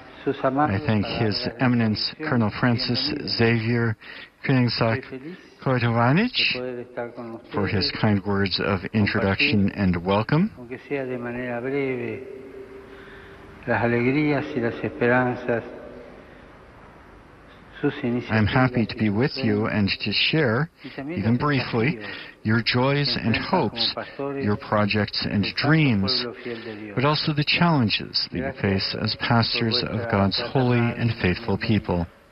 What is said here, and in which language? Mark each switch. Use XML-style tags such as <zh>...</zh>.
<en>I thank His Eminence Colonel Francis Xavier Kringsak Koetawanich for his kind words of introduction and welcome.</en> <es>Aunque sea de manera breve, las alegrías y las esperanzas.</es> <en>I'm happy to be with you and to share, even briefly, your joys and hopes, your projects and dreams, but also the challenges that you face as pastors of God's holy and faithful people.</en>